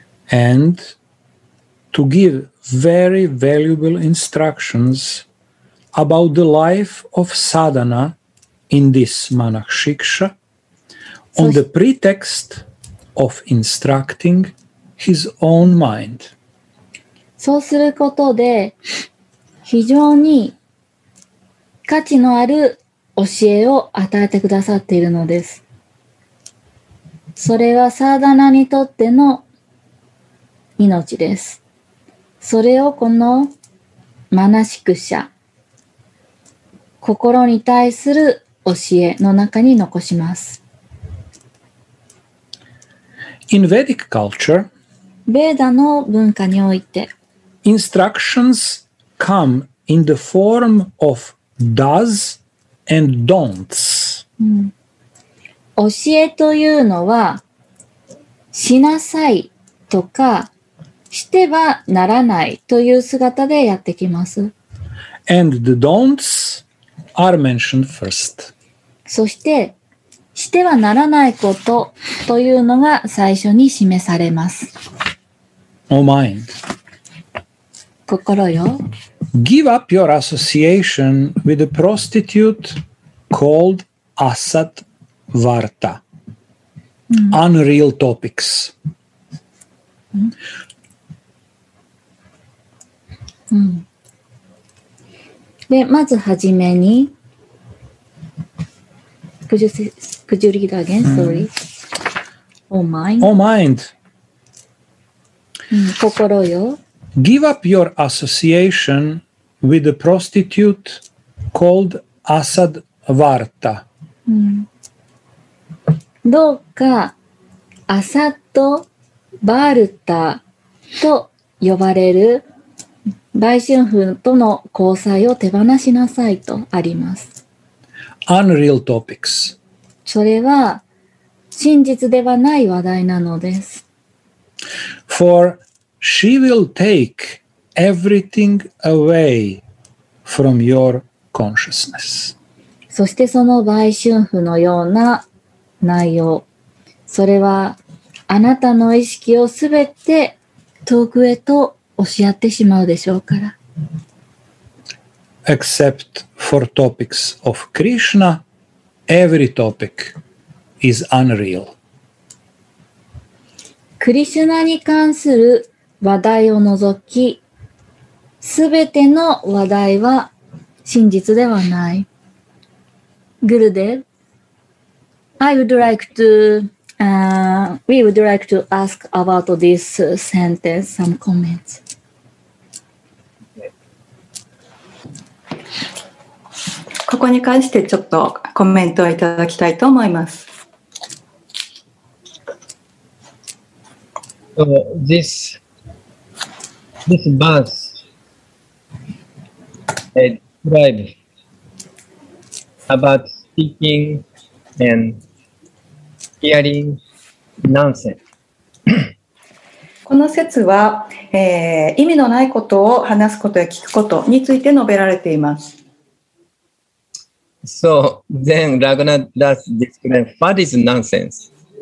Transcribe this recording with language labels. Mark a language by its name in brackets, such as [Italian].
[English] And to give very valuable instructions about the life of sadhana in this manakshiksha on the pretext of instructing his own mind. [Japanese] そうすることで非常に価値のある教えを与えてくださっているのです。それはサーダナにとっての命です。それをこのマナシク者、心に対する教えの中に残します。 [English] In Vedic culture, [Japanese] ベーダの文化において、 [English] instructions come in the form of does and don'ts、 [Japanese] うん。教えというのは、しなさいとか、してはならないという姿でやってきます。 [English] And the don'ts are mentioned first. [Japanese] そして、してはならないことというのが最初に示されます。 [English] Oh mind. [Japanese] 心よ。 [English] Give up your association with a prostitute called Asat Varta.、うん、Unreal topics.、 [Japanese] うんうん、で、まずはじめに。 [English] Could you read again? Sorry.、うん、Oh mind.、う [Japanese] ん、心よ。 [English] Give up your association with a prostitute called Asad Varta.、 [Japanese] うん、どうか、アサド・バルタと呼ばれる売春婦との交際を手放しなさいとあります。 [English] Unreal topics. [Japanese] それは真実ではない話題なのです。 [English] For she will take everything away from your consciousness. [Japanese] そしてその売春婦のような内容、それはあなたの意識をすべて遠くへと押し合ってしまうでしょうから。 [English] Except for topics of Krishna, every topic is unreal. [Japanese] クリシュナに関する話題を除き、すべての話題は真実ではない。 [English] Gurudev, I would like to,、we would like to ask about this sentence some comments. [Japanese] ここに関してちょっとコメントをいただきたいと思います。 [English] So, this verse describes about speaking and hearing nonsense. [Japanese] この説は、意味のないことを話すことや聞くことについて述べられています。 [English] So, then Raghunath Das described what is nonsense.